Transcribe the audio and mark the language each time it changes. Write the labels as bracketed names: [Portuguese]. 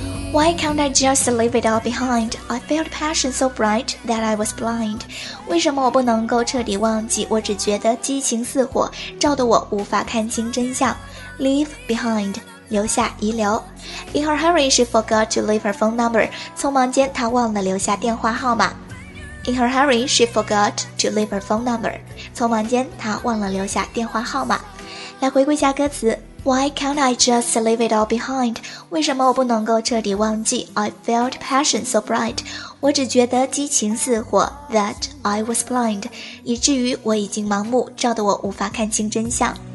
[English] Why can't I just leave it all behind? I felt passion so bright that I was blind. [Chinese] 为什么我不能够彻底忘记？我只觉得激情似火，照得我无法看清真相。 Leave behind. 留下遗留。 [English] In her hurry, she forgot to leave her phone number. [Chinese] 匆忙间，她忘了留下电话号码。 [English] In her hurry, she forgot to leave her phone number. [Chinese] 匆忙间，她忘了留下电话号码。来回顾一下歌词。 [English] Why can't I just leave it all behind? [Chinese] 为什么我不能够彻底忘记 ？ [English] I felt passion so bright. [Chinese] 我只觉得激情似火 ， [English] that I was blind. [Chinese] 以至于我已经盲目，照得我无法看清真相。